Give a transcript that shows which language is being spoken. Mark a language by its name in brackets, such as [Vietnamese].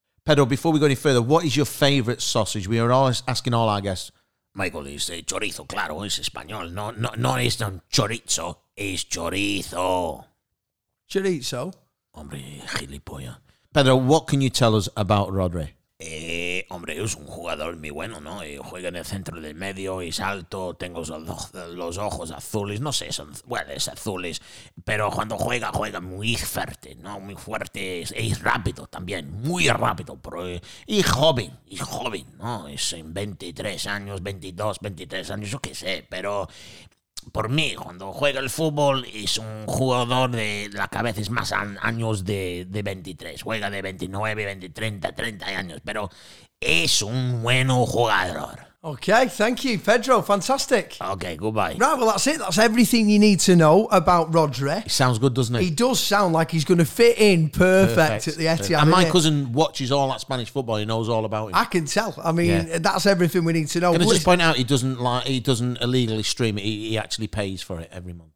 [English] Pedro, before we go any further, what is your favourite sausage? We are always asking all our guests. [Spanish] Michael, [English] it's [Spanish] chorizo, claro, es español. No es un chorizo, es chorizo. Chorizo? Hombre, gilipollas. [English] Pedro, what can you tell us about Rodri? [Spanish] Hombre, es un jugador muy bueno, ¿no? Juega en el centro del medio, es alto, tengo los ojos azules, no sé, son, bueno, es azules, pero cuando juega, juega muy fuerte, ¿no? Muy fuerte, es rápido también, muy rápido, pero, y joven, ¿no? Es en 23 años, 22, 23 años, yo qué sé, pero por mí, cuando juega el fútbol, es un jugador de la cabeza, es más años de 23, juega de 29, 20, 30, 30 años, pero es un bueno jugador. [English] Okay, thank you, Pedro. Fantastic. Okay, goodbye. Right, well, that's it. That's everything you need to know about Rodri. He sounds good, doesn't he? He does sound like he's going to fit in perfect at the Etihad. And my cousin watches all that Spanish football. He knows all about him. I can tell. I mean, that's everything we need to know. Can I just point out, he doesn't illegally stream it. He actually pays for it every month.